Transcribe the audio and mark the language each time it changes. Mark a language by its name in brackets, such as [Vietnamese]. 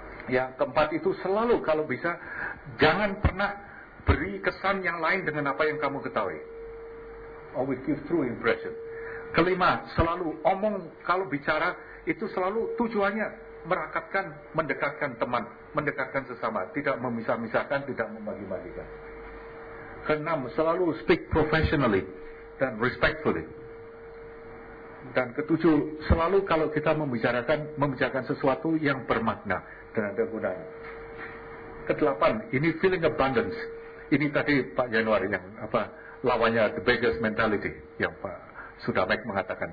[Indonesian] Yang keempat itu, selalu kalau bisa jangan pernah beri kesan yang lain dengan apa yang kamu ketahui. [English] Always give true impression. [Indonesian] Kelima, selalu omong kalau bicara itu selalu tujuannya merakatkan, mendekatkan teman, mendekatkan sesama, tidak memisah-misahkan, tidak membagi-bagikan. Keenam, selalu [English] speak professionally [Indonesian] dan respectfully. Dan ketujuh, selalu kalau kita membicarakan sesuatu yang bermakna dan ada gunanya. Kedelapan, ini feeling abundance. Ini tadi Pak Januari yang apa, lawannya [English] the beggar's mentality [Indonesian] yang Pak Sudamek mengatakan.